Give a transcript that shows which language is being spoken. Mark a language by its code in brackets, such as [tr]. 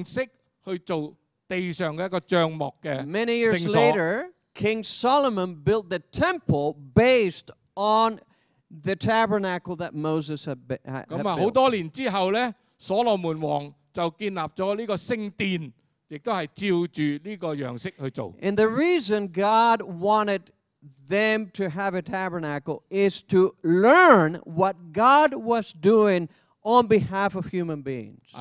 [zh] 而在地上,上帝就命令摩西做一个按着个样式去做地上的一个帐幕的圣所。 [en] Many years later, King Solomon built the temple based on the tabernacle that Moses had built. [zh] 很多年之后,所罗门王就建立了这个圣殿。 [en] And the reason God wanted them to have a tabernacle is to learn what God was doing on behalf of human beings.